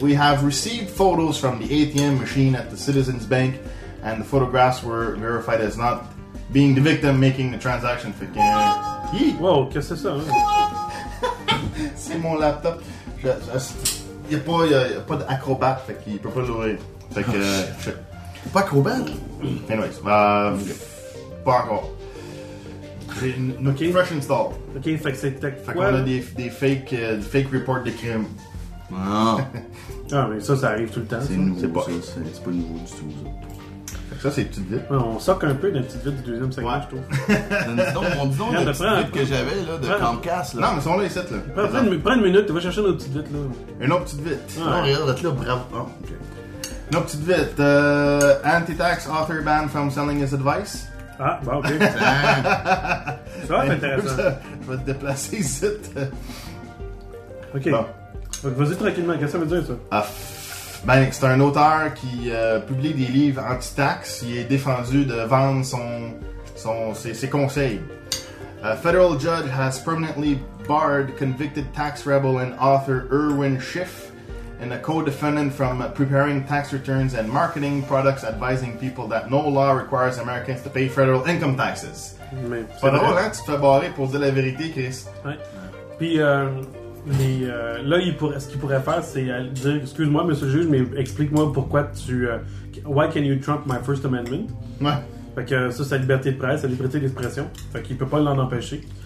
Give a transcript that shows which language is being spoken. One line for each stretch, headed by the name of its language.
English: We have received photos from the ATM machine at the Citizens Bank and the photographs were verified as not being the victim making the transaction for gain.
French: Wow, qu'est-ce que c'est ça? Hein? C'est mon laptop. Il n'y a pas d'acrobat, fait qu'il peut pas jouer. Fait que. Pas acrobat? Anyways, pas encore. Okay.
English: Fresh install.
French: Ok, fait que c'est tech. Fait qu'on a des fake reports de crime. Ah. Ah, mais ça arrive tout le temps. C'est ça. Nouveau. C'est pas nouveau du tout. Ça, c'est une petite vite. On soque un peu d'une petite vite du deuxième segment, ouais. Je trouve. Dis donc, le petit vite que j'avais, là, de Comcast. Là. Non, mais ils sont là, ils sont là. Prends une minute, tu vas chercher une autre petite vite, là. Une autre petite vite. Ouais. Non, regarde, là, bravo. Oh,
English: okay.
French: Une autre petite vite.
English: Anti-tax author banned from selling his advice.
French: Ah, bah, ok. Ça va être intéressant. Je vais te déplacer ici. Ok. Bon. Vas-y tranquillement, qu'est-ce que ça veut dire, ça? Ah. Ben, c'est un auteur qui publie des livres anti-taxes. Il est défendu de vendre ses conseils.
English: A federal judge has permanently barred convicted tax rebel and author Irwin Schiff and a co-defendant from preparing tax returns and marketing products advising people that no law requires Americans to pay federal income taxes.
French: Mais c'est pas drôle, hein? Tu te fais barrer pour dire la vérité, Chris. Ouais. Puis... Mais là, ce qu'il pourrait faire, c'est dire, excuse-moi, monsieur le juge, mais explique-moi pourquoi tu...
English: Why can you trump my First Amendment?
French: Ouais. Fait que ça, c'est la liberté de presse, la liberté d'expression. Fait qu'il peut pas l'en empêcher.